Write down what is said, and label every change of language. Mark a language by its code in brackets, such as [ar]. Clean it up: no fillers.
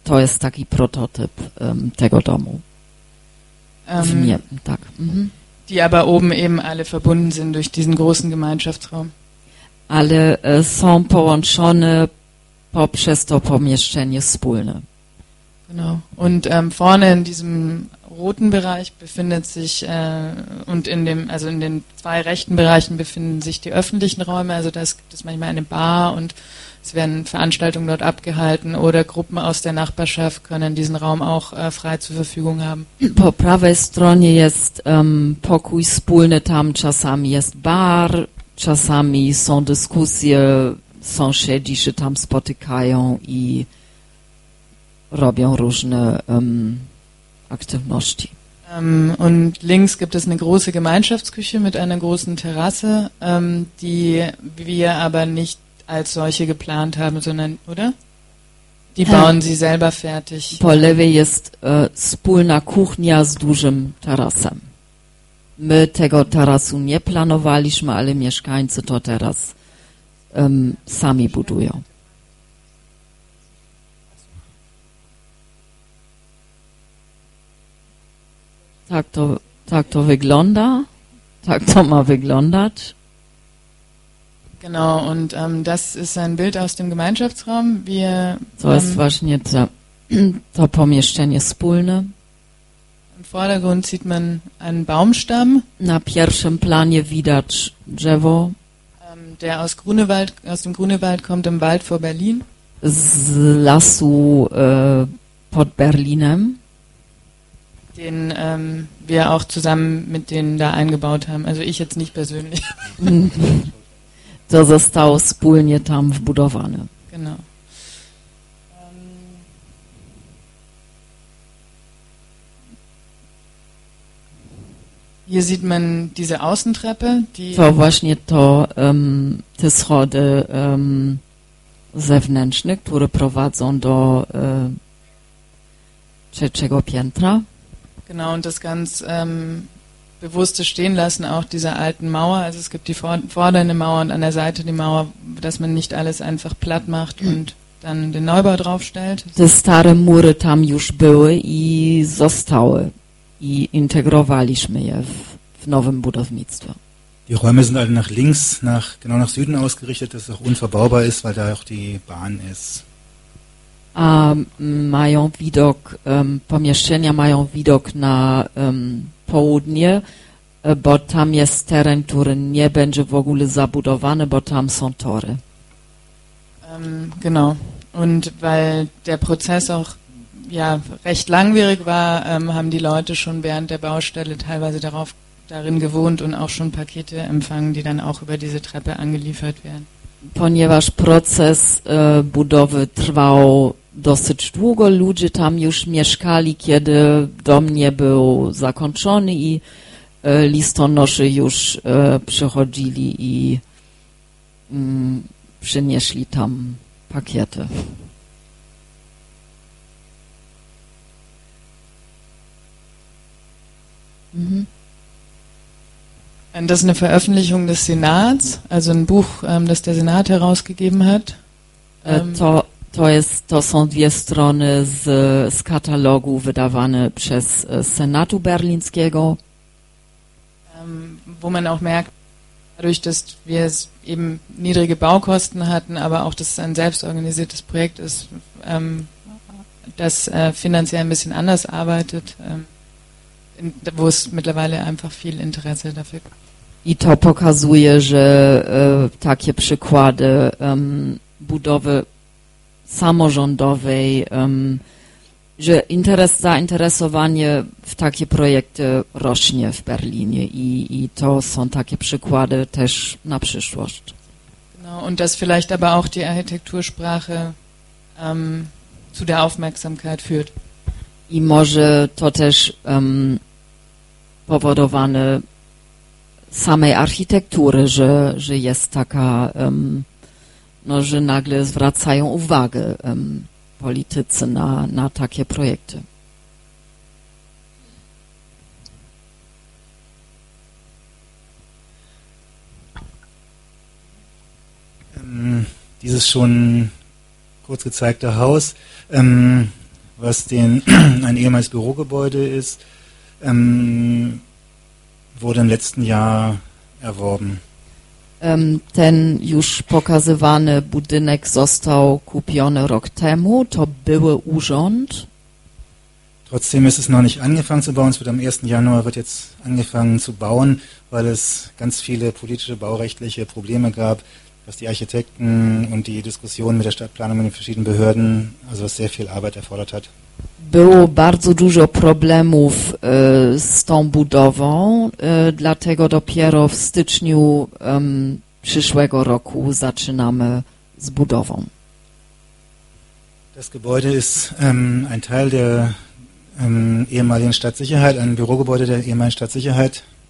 [pl] To jest taki prototyp tego domu. Nie, tak. [de] Die aber oben eben alle verbunden sind durch diesen großen Gemeinschaftsraum. [pl] Ale są połączone poprzez to pomieszczenie wspólne. [de] Genau. Und vorne in diesem roten Bereich befindet sich und in dem, also in den zwei rechten Bereichen befinden sich die öffentlichen Räume. Also da gibt es manchmal eine Bar und es werden Veranstaltungen dort abgehalten oder Gruppen aus der Nachbarschaft können diesen Raum auch frei zur Verfügung haben. [pl] Po prawej stronie jest pokój wspólny, tam czasami jest bar, czasami są dyskusje, sąsiedzi się tam spotykają i robią różne aktywności. [de] Und links gibt es eine große Gemeinschaftsküche mit einer großen Terrasse, die wir aber nicht als solche geplant haben, sondern, oder? Die bauen sie selber fertig. [pl] Po lewej jest wspólna kuchnia z dużym tarasem. My tego tarasu nie planowaliśmy, ale mieszkańcy to teraz sami budują. Tak to wygląda. Tak to ma wyglądać. [de] Genau, und das ist ein Bild aus dem Gemeinschaftsraum. Wir, [pl] to jest właśnie to pomieszczenie wspólne. [de] Im Vordergrund sieht man einen Baumstamm. [pl] Na pierwszym planie widać drzewo. [de] Der aus Grunewald, aus dem Grunewald kommt, im Wald vor Berlin. [pl] Z lasu pod Berlinem. [de] Den wir auch zusammen mit denen da eingebaut haben. Also ich jetzt nicht persönlich. [pl] To zostało wspólnie tam wbudowane. [de] Genau. Hier sieht man diese Außentreppe, die. [pl] To właśnie to te schody zewnętrzne, które prowadzą do trzeciego piętra. [de] Genau, und das ganz bewusste stehen lassen auch dieser alten Mauer. Also es gibt die vorderne Mauer und an der Seite die Mauer, dass man nicht alles einfach platt macht und dann den Neubau draufstellt. [pl] Te stare mury tam już były i zostały. I integrowaliśmy je w nowym budownictwie. [de] Die Räume sind alle nach links, nach, genau nach Süden ausgerichtet, dass es auch unverbaubar ist, weil da auch die Bahn ist. [pl] A mają widok, pomieszczenia mają widok na południe, bo tam jest teren, który nie będzie w ogóle zabudowany, bo tam są tory. [de] Genau. Und weil der Prozess auch ja recht langwierig war, haben die Leute schon während der Baustelle teilweise darin gewohnt und auch schon Pakete empfangen, die dann auch über diese Treppe angeliefert werden. [pl] Ponieważ proces budowy trwał dosyć długo, ludzie tam już mieszkali, kiedy dom nie był zakończony i listonoszy już przychodzili i przynieśli tam pakiety. Mhm. [de] Das ist eine Veröffentlichung des Senats, also ein Buch, das der Senat herausgegeben hat. [pl] To są dwie strony z katalogu wydawane przez Senatu Berlińskiego. [de] Wo man auch merkt, dadurch, dass wir eben niedrige Baukosten hatten, aber auch, dass es ein selbstorganisiertes Projekt ist, das finanziell ein bisschen anders arbeitet, wo es mittlerweile einfach viel Interesse dafür gibt. [pl] I to pokazuje, że takie przykłady budowy samorządowej, że zainteresowanie w takie projekty rośnie w Berlinie i to są takie przykłady też na przyszłość. [de] Genau, und dass vielleicht aber auch die Architektursprache zu der Aufmerksamkeit führt. [pl] I może to też powodowane samej architektury, że jest taka, no, że nagle zwracają uwagę politycy na takie projekty. [de] Dieses schon kurz gezeigte Haus, was den ein ehemals Bürogebäude ist, wurde im letzten Jahr erworben. [pl] Ten już pokazywany budynek został kupiony rok temu. To były urząd. [de] Trotzdem ist es noch nicht angefangen zu bauen. Es wird am 1. Januar wird jetzt angefangen zu bauen, weil es ganz viele politische, baurechtliche Probleme gab, was die Architekten und die Diskussionen mit der Stadtplanung und den verschiedenen Behörden, also was sehr viel Arbeit erfordert hat. [pl] Było bardzo dużo problemów z tą budową, dlatego dopiero w styczniu przyszłego roku zaczynamy z budową. [de] Das Gebäude ist ein Teil der ehemaligen Stadtsicherheit, ein Bürogebäude der ehemaligen Stadtsicherheit.